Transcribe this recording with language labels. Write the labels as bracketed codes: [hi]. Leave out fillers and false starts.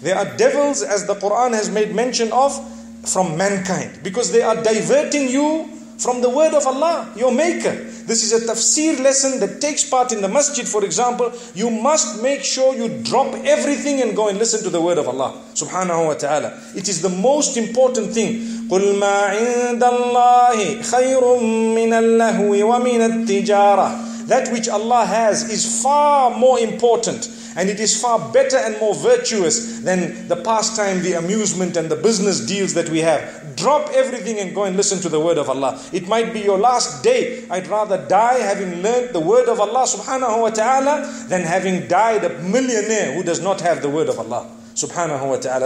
[en] They are devils, as the Quran has made mention of, from mankind. Because they are diverting you from the word of Allah, your maker. This is a tafsir lesson that takes part in the masjid, for example. You must make sure you drop everything and go and listen to the word of Allah subhanahu wa ta'ala. It is the most important thing. [ar] قل ما عند الله خير من اللهو ومن التجارة. [en] That which Allah has is far more important, and it is far better and more virtuous than the pastime, the amusement, and the business deals that we have. Drop everything and go and listen to the word of Allah. It might be your last day. I'd rather die having learned the word of Allah subhanahu wa ta'ala than having died a millionaire who does not have the word of Allah subhanahu wa ta'ala.